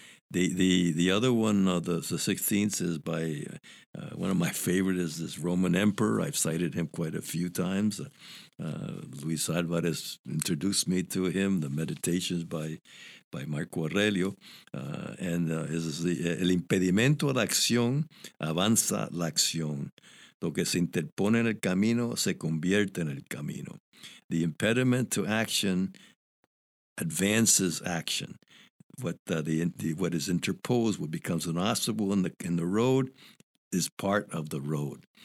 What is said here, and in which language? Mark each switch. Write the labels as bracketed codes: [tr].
[en] The other one, the 16th, is by one of my favorite is this Roman emperor. I've cited him quite a few times. Luis Alvarez introduced me to him, the Meditations by Marco Aurelio. [es] El impedimento a la acción avanza la acción. Lo que se interpone en el camino se convierte en el camino. [en] The impediment to action advances action. What is interposed, what becomes an obstacle in the road, is part of the road.